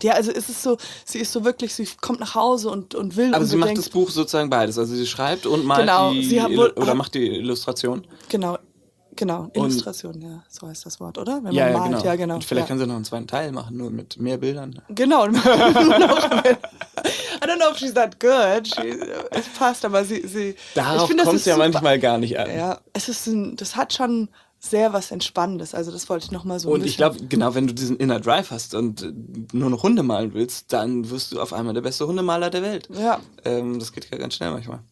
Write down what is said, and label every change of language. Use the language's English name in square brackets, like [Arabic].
[German] Ja, also es ist so, sie ist so wirklich, sie kommt nach Hause und will. Aber sie macht das Buch sozusagen beides, also sie schreibt und malt genau, die, sie hat wohl, oder macht die Illustration. Genau, Genau, Illustration, und, ja, so heißt das Wort, oder? Wenn man ja, malt, genau. Ja, genau. Und vielleicht ja. Kann sie noch einen zweiten Teil machen, nur mit mehr Bildern. Genau. [English] I don't know if she's that good. [German] Es passt, aber sie darauf kommt es ja manchmal gar nicht an. Ja, das hat schon sehr was Entspannendes. Also das wollte ich nochmal so. Und ich glaube, genau, wenn du diesen Inner Drive hast und nur noch Hunde malen willst, dann wirst du auf einmal der beste Hundemaler der Welt. Ja. Das geht ja ganz schnell manchmal.